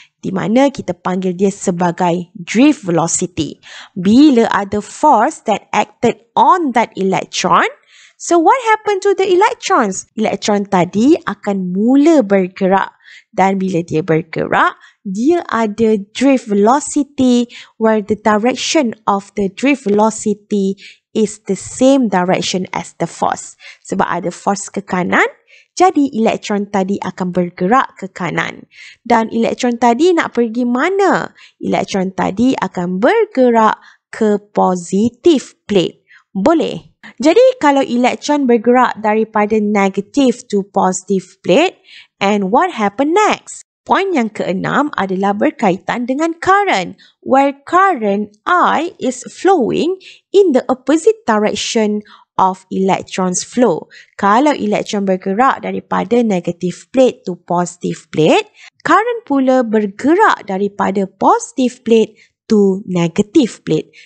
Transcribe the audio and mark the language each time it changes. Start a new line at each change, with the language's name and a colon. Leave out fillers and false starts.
Malay: Di mana kita panggil dia sebagai drift velocity. Bila ada
English: force that acted on that electron, so what happened to the electrons?
Malay: Electron tadi akan mula bergerak. Dan bila dia bergerak, dia ada drift velocity
English: where the direction of the drift velocity is the same direction as the force.
Malay: Sebab ada force ke kanan, jadi elektron tadi akan bergerak ke kanan. Dan elektron tadi nak pergi mana? Elektron tadi akan bergerak ke positif plate. Boleh? Jadi kalau elektron bergerak daripada negatif to positif plate,
English: and what happen next?
Malay: Poin yang keenam adalah berkaitan dengan current.
English: Where current I is flowing in the opposite direction of electrons flow.
Malay: Kalau elektron bergerak daripada
English: negative plate to positive plate,
Malay: current pula bergerak daripada
English: positive plate to negative plate.